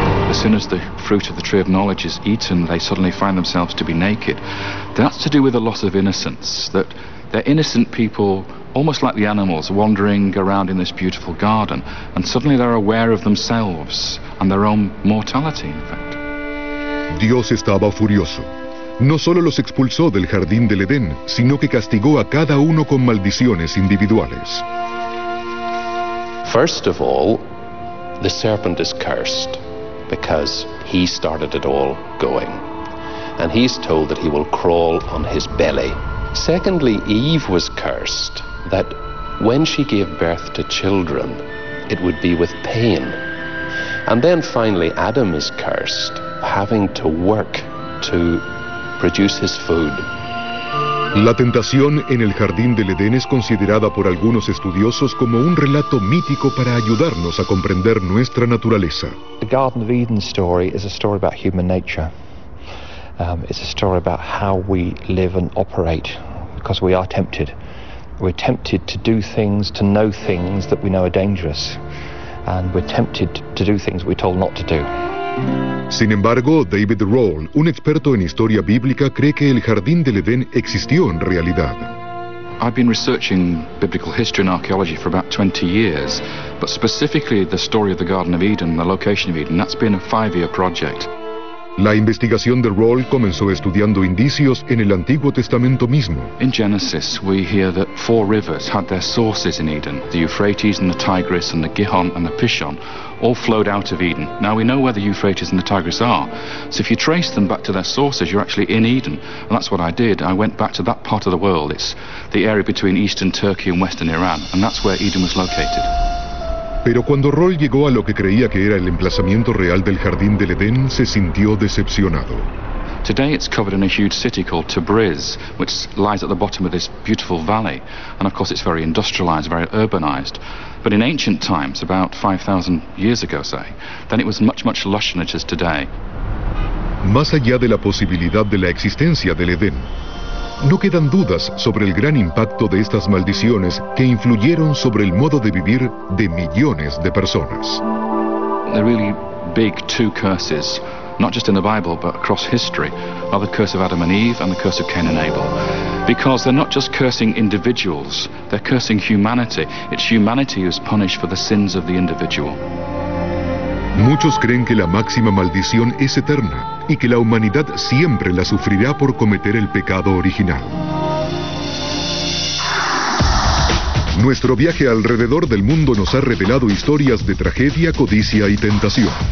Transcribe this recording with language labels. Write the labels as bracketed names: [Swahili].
[English] As soon as the fruit of the tree of knowledge is eaten, they suddenly find themselves to be naked. That's to do with the loss of innocence, that They're innocent people, almost like the animals, wandering around in this beautiful garden, and suddenly they're aware of themselves and their own mortality, in fact. [Spanish] Dios estaba furioso. No solo los expulsó del jardín del Edén, sino que castigó a cada uno con maldiciones individuales. [English] First of all, the serpent is cursed because he started it all going. And he's told that he will crawl on his belly. Secondly, Eve was cursed that when she gave birth to children, it would be with pain. And then finally, Adam is cursed, having to work to produce his food. [Spanish] La tentación en el jardín del Edén es considerada por algunos estudiosos como un relato mítico para ayudarnos a comprender nuestra naturaleza. [English] The Garden of Eden story is a story about human nature. It's a story about how we live and operate, because we are tempted. We're tempted to do things, to know things that we know are dangerous, and we're tempted to do things we're told not to do. [Spanish] Sin embargo, David Roll, un experto en historia bíblica, cree que el Jardín del Edén existió en realidad. [English] I've been researching biblical history and archaeology for about 20 years, but specifically the story of the Garden of Eden, the location of Eden, that's been a five-year project. [Spanish] La investigación de Roll comenzó estudiando indicios en el Antiguo Testamento mismo. [English] In Genesis, we hear that four rivers had their sources in Eden. The Euphrates and the Tigris and the Gihon and the Pishon all flowed out of Eden. Now we know where the Euphrates and the Tigris are. So if you trace them back to their sources, you're actually in Eden. And that's what I did. I went back to that part of the world. It's the area between eastern Turkey and western Iran. And that's where Eden was located. [Spanish] Pero cuando Roll llegó a lo que creía que era el emplazamiento real del Jardín del Edén, se sintió decepcionado. [English] Today it's covered in a huge city called Tabriz, which lies at the bottom of this beautiful valley. And of course it's very industrialized, very urbanized. But in ancient times, about 5,000 years ago, say, then it was much, much lusher than it is today. [Spanish] Más allá de la posibilidad de la existencia del Edén, no quedan dudas sobre el gran impacto de estas maldiciones que influyeron sobre el modo de vivir de millones de personas. [English] There are really big two curses, not just in the Bible, but across history, are the curse of Adam and Eve and the curse of Cain and Abel. Because they're not just cursing individuals, they're cursing humanity. It's humanity who's punished for the sins of the individual. [Spanish] Muchos creen que la máxima maldición es eterna y que la humanidad siempre la sufrirá por cometer el pecado original. Nuestro viaje alrededor del mundo nos ha revelado historias de tragedia, codicia y tentación.